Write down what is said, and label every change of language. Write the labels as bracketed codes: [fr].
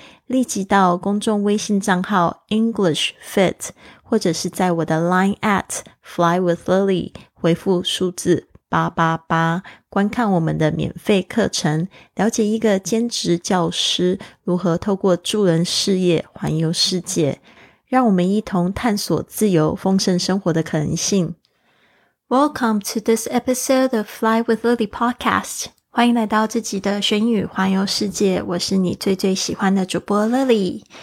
[zh] 立即到公众微信账号 EnglishFit 或者是在我的 Line at FlyWithLily 回复数字888，观看我们的免费课程，了解一个兼职教师如何透过助人事业环游世界，让我们一同探索自由丰盛生活的可能性。 [en] Welcome to this episode of Fly with Lily podcast. [zh] 欢迎来到这集的学英语环游世界，我是你最最喜欢的主播 Lily。